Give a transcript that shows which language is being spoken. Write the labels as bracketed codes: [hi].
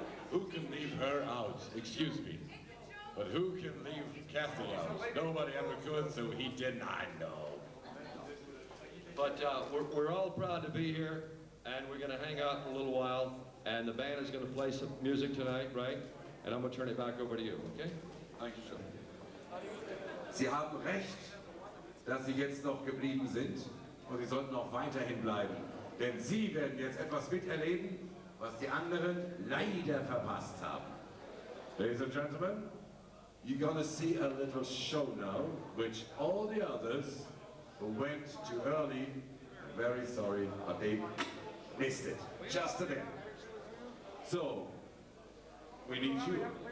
[en] Who can leave her out? Excuse me. But who can leave Kathy out? Nobody ever could, so he didn't. I know. But we're all proud to be here, and we're going to hang out in a little while, and the band is going to play some music tonight, right? And I'm going to turn it back over to you, okay? Thank you, sir. [de] Sie haben recht, dass Sie jetzt noch geblieben sind, und Sie sollten auch weiterhin bleiben. Denn Sie werden jetzt etwas miterleben, was die anderen leider verpasst haben. [en] Ladies and gentlemen, you're gonna see a little show now, which all the others who went too early, I'm very sorry, but they missed it. Just a bit. So, we need you.